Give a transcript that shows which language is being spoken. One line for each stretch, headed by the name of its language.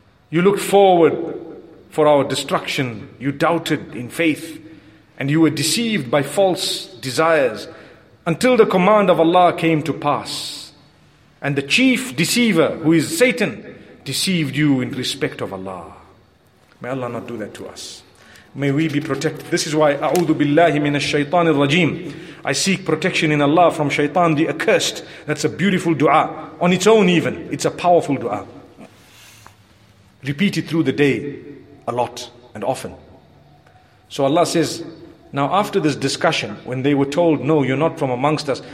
English: You looked forward for our destruction. You doubted in faith, and you were deceived by false desires, until the command of Allah came to pass, and the chief deceiver, who is Satan, deceived you in respect of Allah. May Allah not do that to us. May we be protected. This is why,
Arabic: أعوذ بالله من الشيطان الرجيم.
English: I seek protection in Allah from Shaitan the accursed. That's a beautiful dua. On its own even, it's a powerful dua. Repeat it through the day, a lot and often. So Allah says, now after this discussion, when they were told, no, you're not from amongst us.